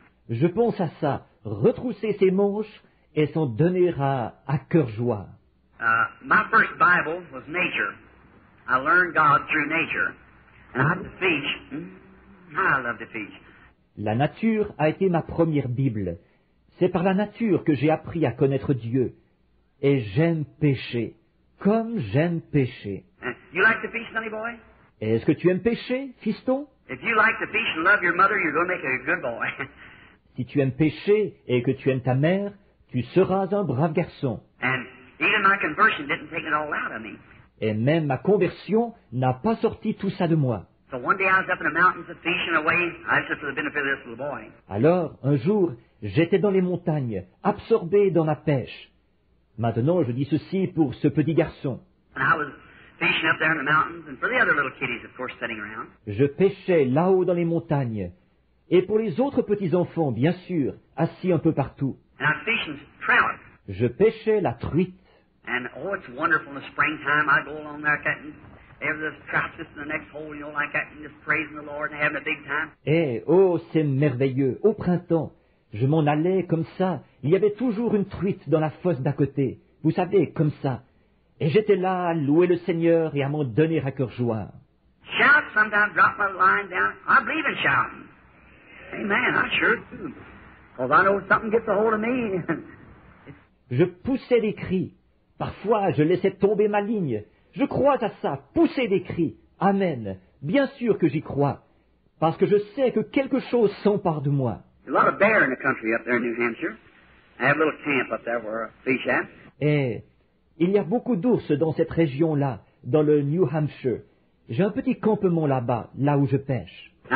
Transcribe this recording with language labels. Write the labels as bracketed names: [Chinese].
[French] Je pense à ça, retrousser ses manches et s'en donner à cœur joie. [English] My first Bible was nature. I learned God through nature. And I love to fish. I love to fish. [French] La nature a été ma première Bible. C'est par la nature que j'ai appris à connaître Dieu. Et j'aime pêcher, comme j'aime pêcher. [English] You like to fish, sonny boy? [French] Est-ce que tu aimes pêcher, fiston? [English] If you like to fish and love your mother, you're going to make a good boy. [French] Si tu aimes pêcher et que tu aimes ta mère, tu seras un brave garçon. [English] And even my conversion didn't take it all out of me. [French] Et même ma conversion n'a pas sorti tout ça de moi. [English] So one day I was up in the mountains fishing away, just for the benefit of this little boy. [French] Alors, un jour, j'étais dans les montagnes, absorbé dans ma pêche. Maintenant, je dis ceci pour ce petit garçon. [English] And I was fishing up there in the mountains, and for the other little kiddies, of course, sitting around. [French] Je pêchais là-haut dans les montagnes, et pour les autres petits enfants, bien sûr, assis un peu partout. [English] And I'm fishing trout. [French] Je pêchais la truite. [English] And oh, it's wonderful in the springtime. I go along there, catching every trout just in the next hole, you know, like that, and just praising the Lord and having a big time. [French] Et oh, c'est merveilleux. Au printemps, je m'en allais comme ça. Il y avait toujours une truite dans la fosse d'à côté. Vous savez, comme ça. Et j'étais là à louer le Seigneur et à m'en donner à cœur joie. [English] Shout sometimes, drop my line down. I believe in shouting. Amen, I sure do. Because I know something gets a hold of me. [French] Je poussais des cris. Parfois, je laissais tomber ma ligne. Je crois à ça, pousser des cris. Amen. Bien sûr que j'y crois. Parce que je sais que quelque chose s'empare de moi. [English] A lot of bear in the country up there in New Hampshire. I have a little camp up there where a fish at. [French] Et... Il y a beaucoup d'ours dans cette région-là, dans le New Hampshire. J'ai un petit campement là-bas, là où je pêche.